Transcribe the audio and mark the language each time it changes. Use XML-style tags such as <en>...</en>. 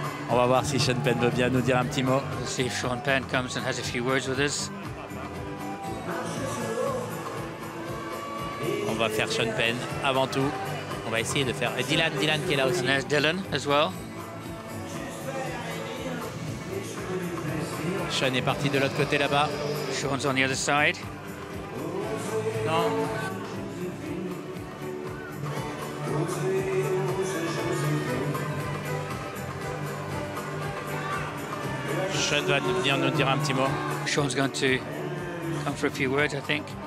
<fr>On va voir si Sean Penn veut bien nous dire un petit mot.</fr> <en>We'll see if Sean Penn comes and has a few words with us.</en> <fr>On va faire Sean Penn avant tout. On va essayer de faire Dylan, Dylan qui est là aussi.</fr> <en>And there's Dylan as well.</en> <fr>Sean est parti de l'autre côté là-bas.</fr> <en>Sean's on the other side.</en> <fr>Non. Sean va venir nous dire un petit mot.</fr> <en>Sean's going to come for a few words, I think.</en>